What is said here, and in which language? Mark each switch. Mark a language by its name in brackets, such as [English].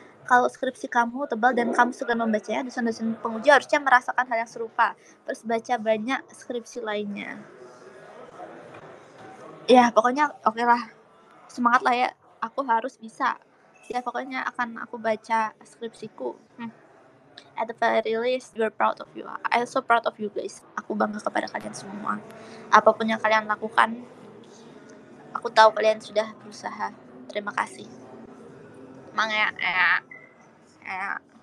[Indonesian] Kalau skripsi kamu tebal dan kamu suka membacanya, dosen-dosen penguji harusnya merasakan hal yang serupa. Terus baca banyak skripsi lainnya. Ya, pokoknya okelah. Semangat lah ya. Aku harus bisa. Ya, pokoknya akan aku baca skripsiku. [English] At the very least, we're proud of you. I'm so proud of you guys. [Indonesian] Aku bangga kepada kalian semua. Apapun yang kalian lakukan, aku tahu kalian sudah berusaha. Terima kasih. Emang ya, ya.